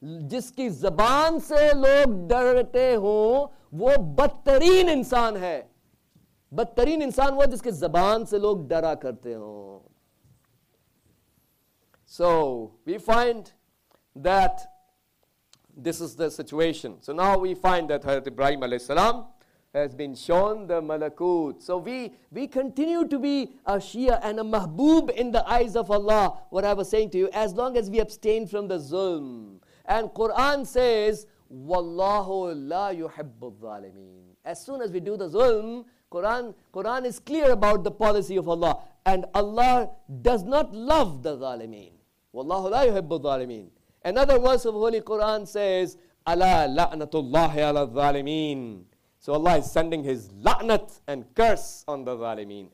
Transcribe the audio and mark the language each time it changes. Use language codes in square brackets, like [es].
[ur] جس کی زبان سے لوگ ڈرتے ہوں وہ بدترین انسان ہے, بدترین انسان وہ جس کی زبان سے لوگ ڈرا کرتے ہوں. [en] So we find that this is the situation. So now we find that Hazrat Ibrahim علیہ السلام has been shown the malakut. So we continue to be a Shia and a mahboob in the eyes of Allah, what I was saying to you, as long as we abstain from the zulm. And Quran says, [ar] وَاللَّهُ لَا يُحِبُّ الظَّالِمِينَ. [en] As soon as we do the zulm, Quran is clear about the policy of Allah. And Allah does not love the ظالمين. [ar] وَاللَّهُ لَا يُحِبُّ الظَّالِمِينَ. [en] Another verse of Holy Quran says, [ar] أَلَا لَعْنَةُ اللَّهِ عَلَى الظَّالِمِينَ. [en] So Allah is sending His la'nat and curse on the ظالمين.